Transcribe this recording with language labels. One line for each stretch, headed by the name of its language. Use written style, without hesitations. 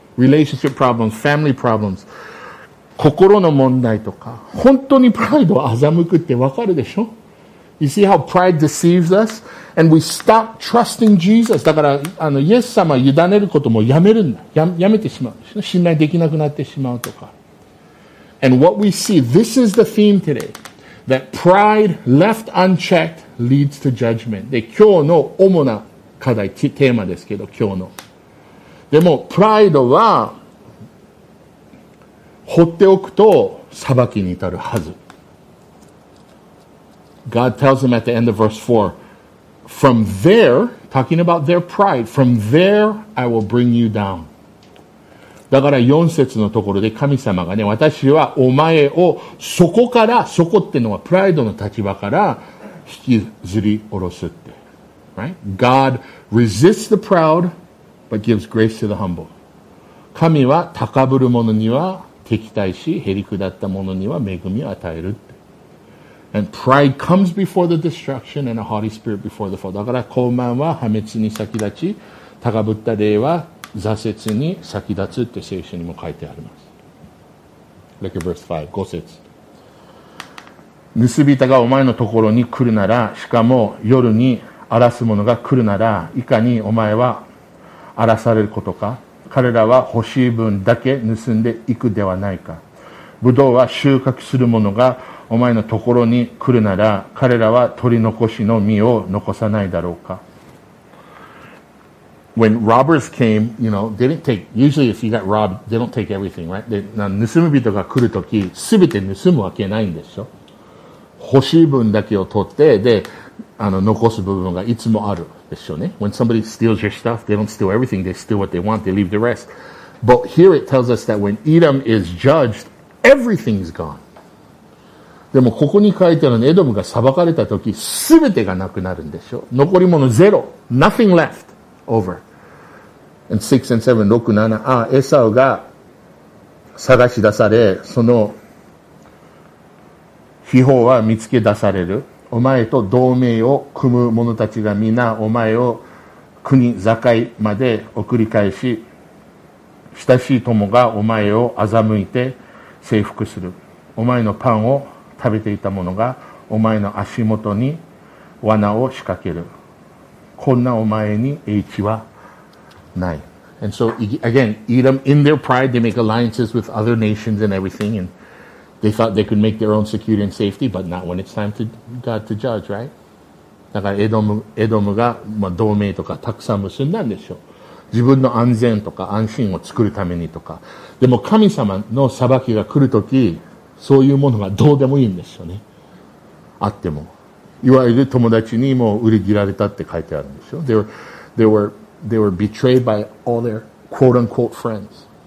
English: relationship problems, family problems,
Japanese: 心の問題とか、本当にプライドを欺くってわかるでしょ?
English: You see how pride deceives us? And we stop trusting Jesus.
Japanese: だから、イエス様を委ねることもやめるんだ。やめてしまう。信頼できなくなってしまうとか。
English: And what we see, this is the theme today, that pride left unchecked leads to judgment.
Japanese: で、今日の主な課題、テーマですけど、今日の。でもプライドは放っておくと裁きに至るはず。
English: God tells him at the end of verse 4, from there, talking about their pride, from there I will bring you down.
Japanese: だから4節のところで神様がね、私はお前をそこから、そこってのはプライドの立場から引きずり下ろすって、right?
English: God resists the proudBut gives grace to the humble.
Japanese: 神は高ぶる者には敵対し、へりくだった者には恵みを与える。
English: And pride comes before the destruction and a haughty spirit before the fall.
Japanese: だから高慢は破滅に先立ち、高ぶった霊は挫折に先立つって聖書にも書いてあります。
English: Look at verse 5, 5節。
Japanese: 盗人がお前のところに来るなら、しかも夜に荒らす者が来るなら、いかにお前は荒らされることか。彼らは欲しい分だけ盗んでいくではないか。ブドウは収穫する者がお前のところに来るなら、彼らは取り残しの実を残さないだろうか。
English: When robbers came, you know, they didn't take, usually if you got robbed, they don't take everything, right?
Japanese: で、盗む人が来るとき、すべて盗むわけないんでしょ。欲しい分だけを取って、で、残す部分がいつもある。
English: When somebody steals your stuff, they don't steal everything. They steal what they want. They leave the rest. But here it tells us that when Edom is judged, everything's gone.
Japanese: でもここに書いてあるのエドムが裁かれた時、すべてがなくなるんでしょ。残り物ゼロ。
English: Nothing left. Over. And 6 and 7, 6, 7.
Japanese: ああ、エサウが探し出され、その秘宝は見つけ出される。お前と同盟を組む者たちが皆お前を国境まで送り返し、親しい友がお前を欺いて征服する。お前のパンを食べていた者がお前の足元に罠を仕掛ける。こんなお前に英知はない。
English: And so again, Edom, in their pride, they make alliances with other nations and everything, andThey thought they could make their own security and safety, but not when it's time to God to judge, right?
Japanese: だからエドムが、まあ、同盟とかたくさん結んだんでしょう。自分の安全とか安心を作るためにとか。でも神様の裁きが来るとき、そういうものがどうでもいいんですよね。あっても。いわゆる友達にもう売り切られたって書いてあるんでしょ。
English: They were betrayed by all their quote unquote friends.